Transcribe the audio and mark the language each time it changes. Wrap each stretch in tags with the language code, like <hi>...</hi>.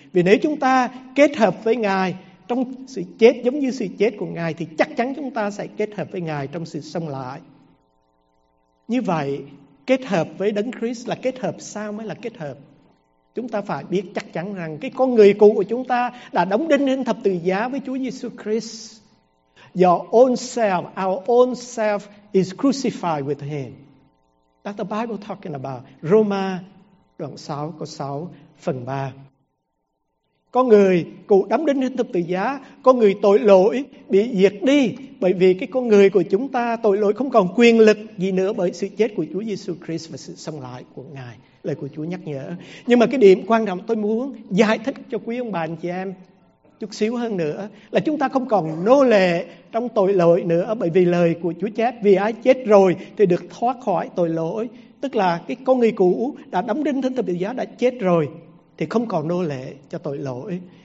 <vi>Vì nếu chúng ta kết hợp với Ngài trong sự chết giống như sự chết của Ngài thì chắc chắn chúng ta sẽ kết hợp với Ngài trong sự sống lại. Như vậy, kết hợp với Đấng Christ là kết hợp sao mới là kết hợp? Chúng ta phải biết chắc chắn rằng cái con người cũ của chúng ta đã đóng đinh trên thập tự giá với Chúa Giêsu Christ.</vi> <en>Your own self, our own self is crucified with him. That's the Bible talking about.</en> <vi>Roma đoạn 6 câu 6 phần 3. Con người cũ đóng đinh trên thập tự giá, con người tội lỗi bị diệt đi, bởi vì cái con người của chúng ta tội lỗi không còn quyền lực gì nữa bởi sự chết của Chúa Giêsu Christ và sự sống lại của Ngài. Lời của Chúa nhắc nhở. Nhưng mà cái điểm quan trọng tôi muốn giải thích cho quý ông bà anh chị em chút xíu hơn nữa là chúng ta không còn nô lệ trong tội lỗi nữa, bởi vì lời của Chúa chép vì ai chết rồi thì được thoát khỏi tội lỗi, tức là cái con người cũ đã đóng đinh trên thập tự giá đã chết rồi thì không còn nô lệ cho tội lỗi.</vi>